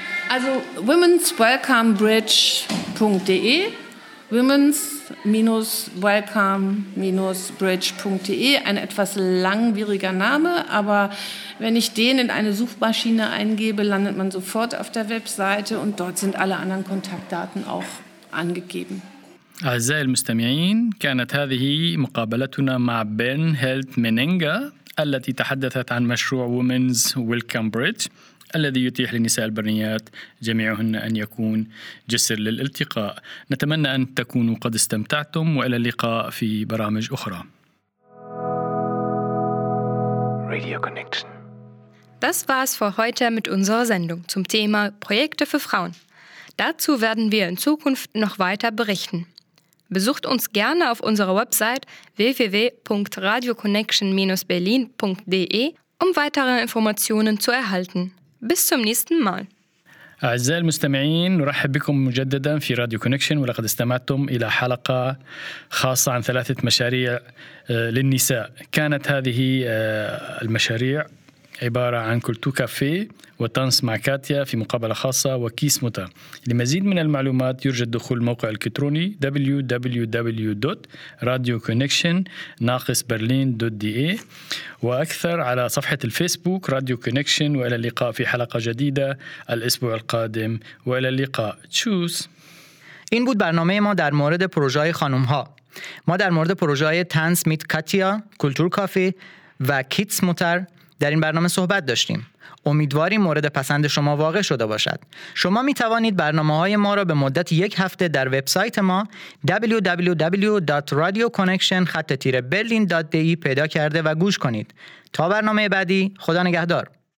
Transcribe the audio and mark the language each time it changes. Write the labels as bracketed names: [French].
[German] Also womenswelcomebridge.de, womens-welcome-bridge.de, ein etwas langwieriger Name, aber wenn ich den in eine Suchmaschine eingebe, landet man sofort auf der Webseite und dort sind alle anderen Kontaktdaten auch angegeben. [Arabic] أعزائي المستمعين كانت هذه مقابلتنا مع بيرن هيلت مينينغا التي تحدثت عن مشروع وومنز ويلكم بريدج الذي يتيح لنساء البرنيات جميعهن أن يكون جسر للالتقاء نتمنى أن تكونوا قد استمتعتم وإلى اللقاء في برامج أخرى [English] Radio Connection. [German] Das war's für heute mit unserer Sendung zum Thema Projekte für Frauen. Dazu werden wir in Zukunft noch weiter berichten. Besucht uns gerne auf unserer Website www.radioconnection-berlin.de, um weitere Informationen zu erhalten. Bis zum nächsten Mal. [Arabic] أعزائي المستمعين نرحب بكم مجددا في راديو كونكشن ولقد استمعتم إلى حلقة خاصة عن ثلاثة مشاريع للنساء. كانت هذه المشاريع عبارة عن كولتو كافيه وتنس مع كاتيا في مقابلة خاصة وكيس متى. لمزيد من المعلومات يرجى الدخول الموقع الإلكتروني www.radioconnection-berlin.de وأكثر على صفحة الفيسبوك راديو كونكشن وإلى اللقاء في حلقة جديدة الأسبوع القادم وإلى اللقاء. [German] تشوس. [Persian] این بود برنامه ما در مورد پروژه خانم ها. ما در مورد پروژه تنس میت کاتیا، کولتور کافی و کیس متى در این برنامه صحبت داشتیم. امیدواریم مورد پسند شما واقع شده باشد. شما می توانید برنامه‌های ما را به مدت یک هفته در وبسایت ما www.radioconnection-berlin.de پیدا کرده و گوش کنید. تا برنامه بعدی خدا نگهدار.